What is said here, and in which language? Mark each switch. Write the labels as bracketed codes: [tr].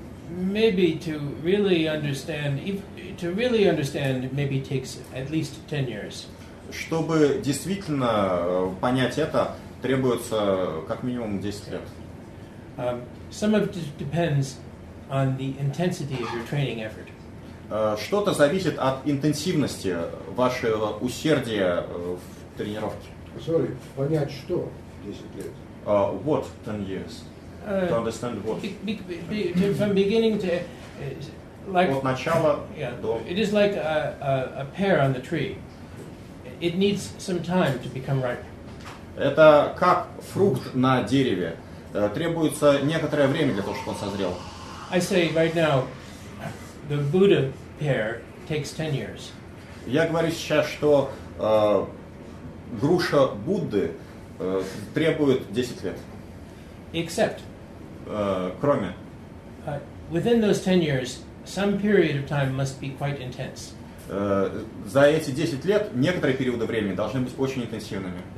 [en] Maybe to really understand, maybe takes at least 10 years. [ru] Чтобы действительно понять это, требуется как минимум 10 лет. [en] Some of it depends on the intensity of your training effort. [ru] Что-то зависит от интенсивности вашего усердия в тренировке. [en] Sorry, [ru] понять что 10 лет? [en] What 10 years? To understand what? From beginning to like [ru] от начала до. [en] It is like a pear on the tree. It needs some time to become ripe. [ru] Это как фрукт на дереве. Требуется некоторое время для того, чтобы он созрел. [en] I say right now, the Buddha pear takes 10 years. [ru] Я говорю сейчас, что груша Будды требует 10 лет. [en] Except. [ru] Кроме. [en] Within those 10 years, some period of time must be quite intense. [ru] За эти 10 лет некоторые периоды времени должны быть очень интенсивными.